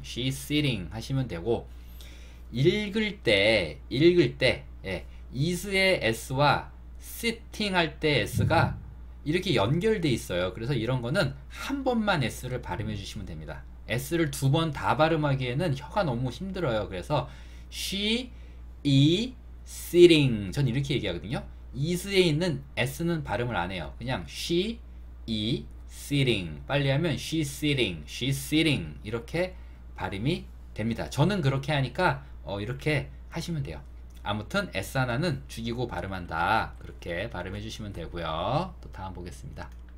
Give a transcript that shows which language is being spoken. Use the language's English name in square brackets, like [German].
[Korean] she's sitting 하시면 되고, 읽을 때, 예, is의 s와 시팅 할때 S가 이렇게 연결돼 있어요. 그래서 이런 거는 한 번만 S를 발음해 주시면 됩니다. S를 두번다 발음하기에는 혀가 너무 힘들어요. [English] 그래서 she is sitting. [Korean] 전 이렇게 얘기하거든요. is에 있는 S는 발음을 안 해요. [English] 그냥 she is sitting. 빨리 하면 she sitting. [Korean] she sitting. 이렇게 발음이 됩니다. 저는 그렇게 하니까 이렇게 하시면 돼요. 아무튼 S 하나는 죽이고 발음한다. 그렇게 발음해 주시면 되고요. 또 다음 보겠습니다.